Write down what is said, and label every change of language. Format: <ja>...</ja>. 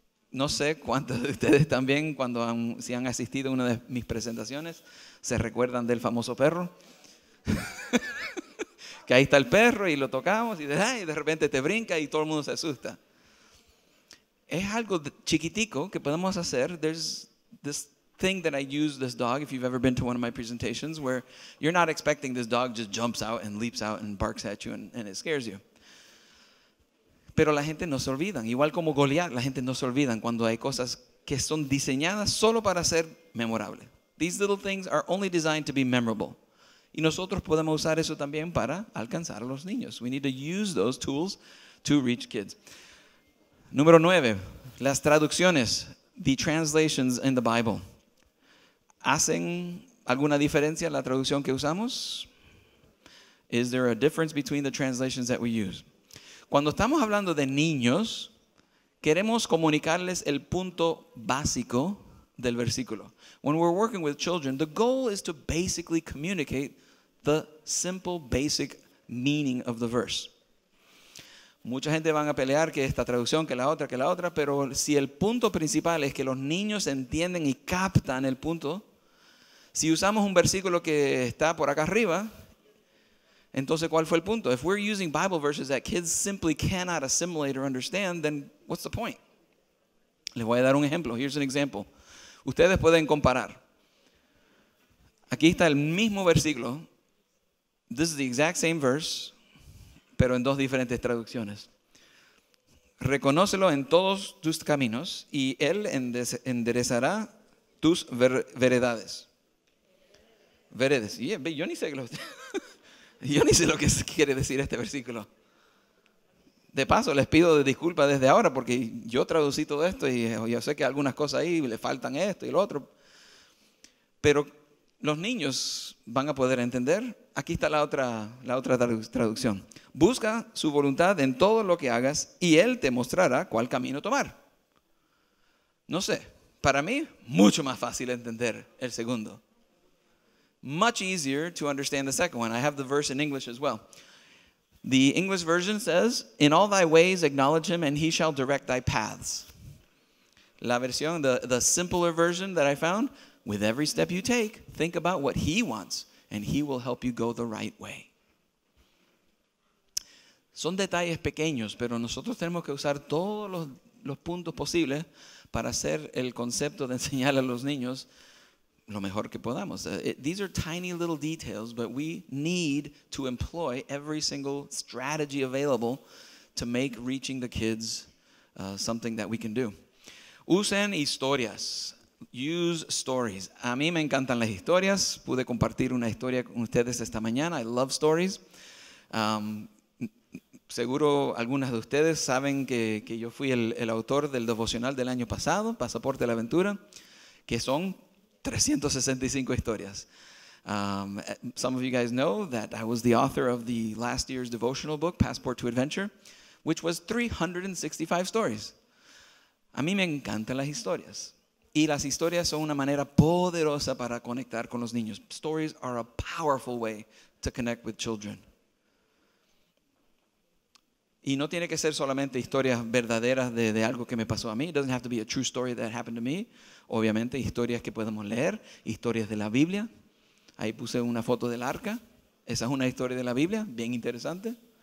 <es>No sé cuántos de ustedes también, si han asistido a una de mis presentaciones, se recuerdan del famoso perro. Que ahí está el perro y lo tocamos y de repente te brinca y todo el mundo se asusta. Es algo chiquitico que podemos hacer.</es> <en>There's this thing that I use, this dog, if you've ever been to one of my presentations, where you're not expecting this dog just jumps out and leaps out and barks at you and it scares you.</en> <es>Pero la gente no se olvidan. Igual como Goliat, la gente no se olvidan cuando hay cosas que son diseñadas solo para ser memorables.</es> <en>These little things are only designed to be memorable.</en> <es>Y nosotros podemos usar eso también para alcanzar a los niños.</es> <en>We need to use those tools to reach kids.</en> <es>Número 9, las traducciones,</es> <en>the translations in the Bible.</en> <es>¿Hacen alguna diferencia la traducción que usamos?</es> <en>Is there a difference between the translations that we use?</en> <es>Cuando estamos hablando de niños, queremos comunicarles el punto básico del versículo.</es> <en>When we're working with children, the goal is to basically communicate the simple, basic meaning of the verse.</en> <es>Mucha gente van a pelear que esta traducción, que la otra, pero si el punto principal es que los niños entienden y captan el punto, si usamos un versículo que está por acá arriba, entonces ¿cuál fue el punto?</es> <en>If we're using Bible verses that kids simply cannot assimilate or understand, then what's the point?</en> <es>Les voy a dar un ejemplo.</es> <en>Here's an example.</en> <es>Ustedes pueden comparar. Aquí está el mismo versículo.</es> <en>This is the exact same verse,</en> <es>pero en dos diferentes traducciones. Reconócelo en todos tus caminos y él enderezará tus veredades. Veredades. Yeah, yo ni sé lo, yo ni sé lo que quiere decir este versículo. De paso, les pido disculpas desde ahora porque yo traducí todo esto y yo sé que algunas cosas ahí le faltan esto y lo otro. Pero los niños van a poder entender. Aquí está la otra traducción. Busca su voluntad en todo lo que hagas y él te mostrará cuál camino tomar. No sé, para mí, mucho más fácil entender el segundo.</es> <en>Much easier to understand the second one. I have the verse in English as well. The English version says, in all thy ways acknowledge him and he shall direct thy paths.</en> <es>La versión,</es> <en>the simpler version that I found, with every step you take, think about what he wants. And he will help you go the right way.</en> <es>Son detalles pequeños, pero nosotros tenemos que usar todos los puntos posibles para hacer el concepto de enseñar a los niños lo mejor que podamos.</es> <en>These are tiny little details, but we need to employ every single strategy available to make reaching the kids something that we can do.</en> <es>Usen historias.</es> <en>Use stories.</en> <es>A mí me encantan las historias. Pude compartir una historia con ustedes esta mañana.</es> <en>I love stories.</en> <es>Seguro algunas de ustedes saben que yo fui el autor del devocional del año pasado, Pasaporte a la Aventura, que son 365 historias.</es> <en>Some of you guys know that I was the author of the last year's devotional book, Passport to Adventure, which was 365 stories.</en> <es>A mí me encantan las historias. Y las historias son una manera poderosa para conectar con los niños.</es> <en>Stories are a powerful way to connect with children.</en> <es>Y no tiene que ser solamente historias verdaderas de algo que me pasó a mí.</es> <en>It doesn't have to be a true story that happened to me.</en> <es>Obviamente, historias que podemos leer, historias de la Biblia. Ahí puse una foto del arca. Esa es una historia de la Biblia, bien interesante.</es>